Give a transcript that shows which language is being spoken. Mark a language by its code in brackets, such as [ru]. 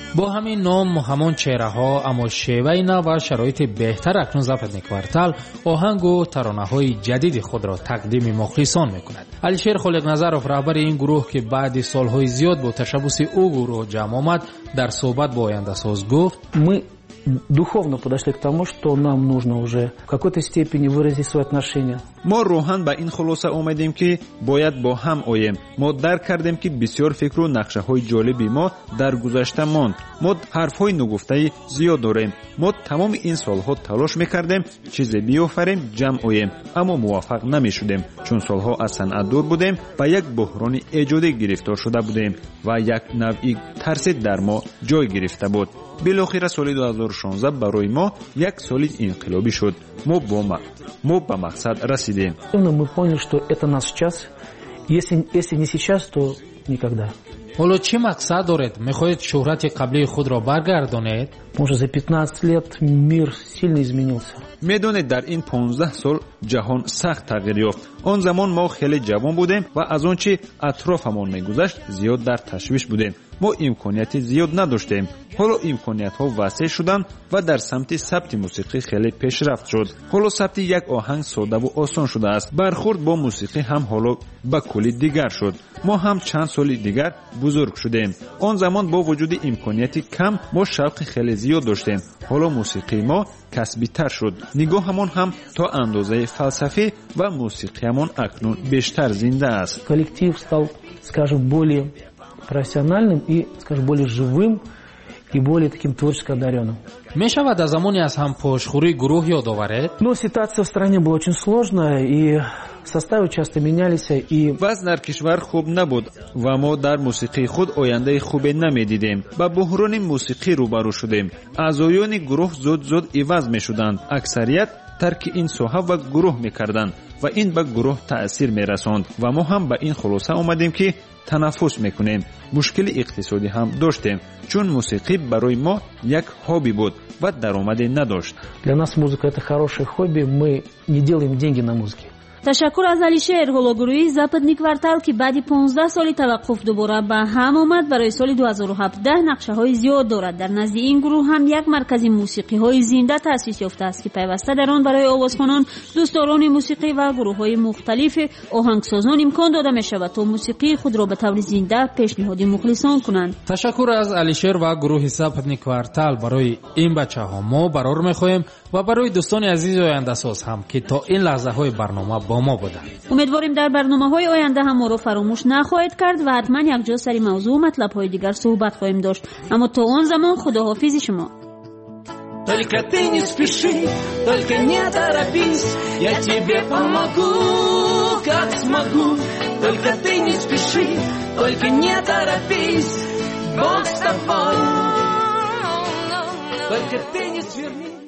[fa] با همین نام و همان چهره ها اما شیوه نو و شرایط بهتر اکنون زپدنی کوارتال آهنگ و ترانه های جدید خود را تقدیم مخلصان میکند. علی شیر خالق نظرف رهبر این گروه که بعد سالهای زیاد با تشبس او گروه جمع آمد در صحبت با آینده ساز گفت: [ru] «می духовно подошли к тому, что нам нужно уже в какой-то степени выразить свои отношения». [fa] ما روحان به این خلاصه اومدیم که باید با هم آییم. ما درک کردیم که بسیار فکر و نقشه های جالبی ما در گذشته ماند. ما حرف های نگفته زیاد داریم. ما تمام این سالها تلاش میکردیم چیزی بیافریم، جمع آییم، اما موفق نمیشدیم، چون سالها از صنعت دور بودیم و یک بحران ایجادی گرفتار شده بودیم و یک نوعی ترس در ما جای گرفته بود. بالاخره سال 2016 برای ما یک سال انقلابی شد. ما به مقصد رسیدیم. [ru] Мы поняли, что это наш час. Если не сейчас, то никогда. [fa] حالا چه مقصد دارید؟ میخواید شهرت قبلی خود را برگردانید؟ [ru] Может, за 15 лет мир сильно изменился. [fa] میدونید در این 15 سال جهان سخت تغییر یافت. آن زمان ما خیلی جوان بودیم و از اون چی اطرافمون میگذشت زیاد در تشویش بودیم. ما امکانیت زیاد نداشتیم. حالا امکانیت ها وسیع شدن و در سمت ثبت موسیقی خیلی پیشرفت شد. حالا ثبت یک آهنگ ساده و آسان شده است. برخورد با موسیقی هم حالا به کلی دیگر شد. ما هم چند سال دیگر بزرگ شدیم. آن زمان با وجود امکانیت کم ما شوق خیلی زیاد داشتیم. حالا موسیقی ما کسبی تر شد. نگاه همون هم تا اندازه فلسفی و موسیقی همون اکنون بیشتر زنده است. [ru] کلکتیو стал, скажем, более профессиональным и, скажем, более живым и более таким творческо одаренным. [tg] Мешава до замони аз хам пошхури гурух ёд оварет. [ru] Но ситуация в стране была очень сложная и составы часто менялись и [tg] ваз дар кишвар хуб набуд ва мо дар мусиқии худ ояндаи хубе намедидем ба буҳрони мусиқӣ рубару шудем. Аъзоёни гурӯҳ зуд-зуд иваз мешуданд. Аксарият тарки ин соҳа ва гурӯҳ мекарданд ва ин ба гурӯҳ таъсир мерасонд ва мо ҳам ба ин хулоса омадем ки [fa] تنفس میکنیم. مشکل اقتصادی هم داشتیم، چون موسیقی برای ما یک هوبی بود و درآمدی نداشت. [ru] для нас музыка это хороший хобби, мы не делаем деньги на музыке. [fa] تشکر از علی شیر. گروهی زپدنی کوارتال که بعد 15 سال توقف دوباره به هم آمد برای سال 2017 نقشه های زیاد دارد. در نزد این گروه هم یک مرکز موسیقی های زنده تأسیس یافته است که پیوسته در آن برای آوازخوانان، دوستداران موسیقی و گروه های مختلف آهنگسازان امکان داده می شود تا موسیقی خود را به طور زنده پیشنهاد مخلصان کنند. تشکر از علی شیر و گروه زپدنی کوارتال. برای این بچه‌ها ما برار می خواهیم و برای دوستان عزیز آینده ساز هم که تا این لحظه های برنامه با ما بودند. امیدواریم در برنامه های آینده هم ما رو فراموش نخواهید کرد و حتما یک جا سری موضوع و مطلب های دیگر صحبت خواهیم داشت. اما تا آن زمان خداحافظ شما. [ru] Только ты не спеши, только не торопись, я тебе помогу, как смогу. Только ты не спеши, только не торопись, Бог с тобой. Только ты не сверни.